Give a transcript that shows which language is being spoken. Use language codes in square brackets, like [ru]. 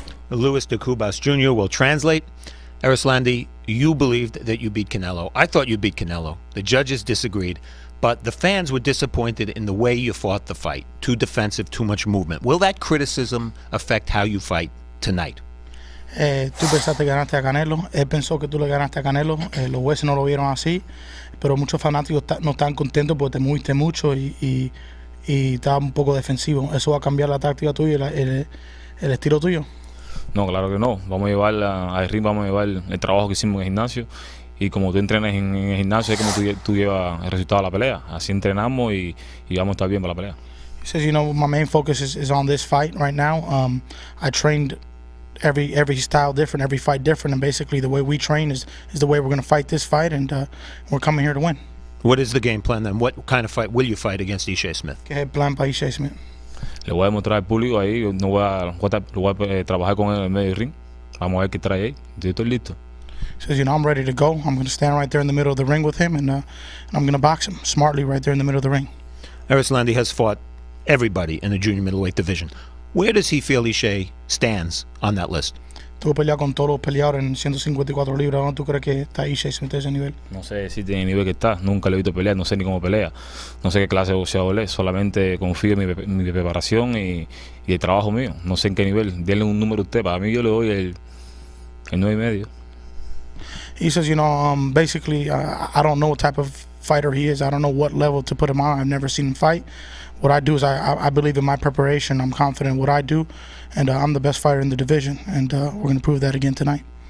[en] Luis de Cubas Jr. will translate. Erislandy, you believed that you beat Canelo. I thought you beat Canelo. The judges disagreed, but the fans were disappointed in the way you fought the fight. Too defensive, too much movement. Will that criticism affect how you fight tonight? [es] Tú pensaste que ganaste a Canelo. Él pensó que tú le ganaste a Canelo. Los jueces no lo vieron así. Pero muchos fanáticos no están contentos porque te moviste mucho y estaba un poco defensivo. ¿Eso va a cambiar la táctica tuya y el estilo tuyo? No, claro que no. Vamos a llevar a ring, vamos a llevar el trabajo que hicimos en el gimnasio. Y como tú entrenas en el gimnasio, es como tú llevas el resultado a la pelea. Así entrenamos y vamos a estar bien para la pelea. [en] He says, you know, my main focus is on this fight right now. I trained every style different, every fight different, and basically the way we train is the way we're going to fight this fight, and we're coming here to win. What is the game plan then? What kind of fight will you fight against Ishe Smith? [es] ¿Qué plan para Ishe Smith? Le voy a mostrar al público ahí, no voy a, trabajar con él en medio ring. Vamos a ver qué trae ahí. Yo estoy listo. [en] He says, you know, I'm ready to go. I'm going to stand right there in the middle of the ring with him, and I'm going to box him smartly right there in the middle of the ring. Erislandy has fought everybody in the junior middleweight division. Where does he feel Ishe stands on that list? [es] Tuvo pelea con todos los peleadores en 154 libras. ¿Dónde tú crees que está Ishe Smith en ese nivel? No sé si tiene el nivel que está. Nunca le he visto pelear. No sé ni cómo pelea. No sé qué clase de boxeador es. Solamente confío en mi preparación y el trabajo mío. No sé en qué nivel. Denle un número a usted. Para mí yo le doy el 9 y medio. [en] He says, you know, basically, I don't know what type of fighter he is. I don't know what level to put him on. I've never seen him fight. What I do is I believe in my preparation. I'm confident in what I do, and I'm the best fighter in the division, and we're going to prove that again tonight.